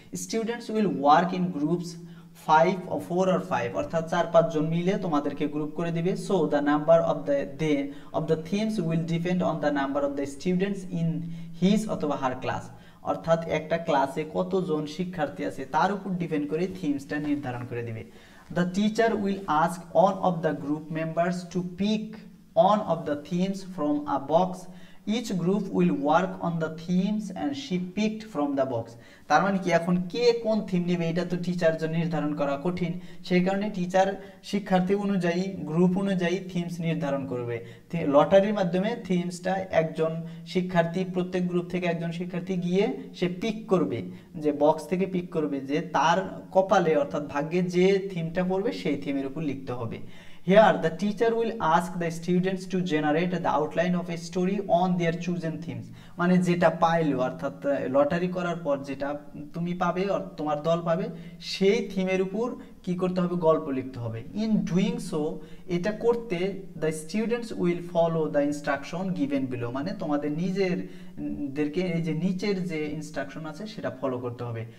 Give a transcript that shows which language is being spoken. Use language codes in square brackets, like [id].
[en] students will work in groups five ও four or five, [bn] অর্থাৎ চার পাঁচজন মিলে তোমাদেরকে গ্রুপ করে দিবে। [en] so the number of the day of the themes will depend on the number of the students in his অথবা her class, [bn] অর্থাৎ একটা ক্লাসে কতজন শিক্ষার্থী আছে তার উপর ডিপেন্ড করে থিমসটা নির্ধারণ করে দিবে। [en] The teacher will ask all of the group members to pick one of the themes from a box. Each group will work on the themes and she picked from the box. [bn] তার মানে কি এখন কে কোন theme নেবে এটা তো teacher জন্য নির্ধারণ করা কঠিন, সেই কারণে টিচার শিক্ষার্থী অনুযায়ী গ্রুপ অনুযায়ী থিমস নির্ধারণ করবে। লটারির মাধ্যমে থিমসটা একজন শিক্ষার্থী প্রত্যেক গ্রুপ থেকে একজন শিক্ষার্থী গিয়ে সে পিক করবে, যে বক্স থেকে পিক করবে, যে তার কপালে অর্থাৎ ভাগ্যে যে থিমটা পড়বে সেই থিমের উপর লিখতে হবে। [en] Here, the teacher will ask the students to generate the outline of a story on their chosen themes. [bn] মানে যেটা পাইলো অর্থাৎ লটারি করার পর যেটা তুমি পাবে আর তোমার দল পাবে সেই থিমের উপর কি করতে হবে, গল্প লিখতে হবে। [en] in doing so, [bn] এটা করতে [en] the students will follow the instruction given below, [bn] মানে তোমাদের নিজেদেরকে এই যে নিচের যে ইনস্ট্রাকশন আছে সেটা ফলো করতে হবে।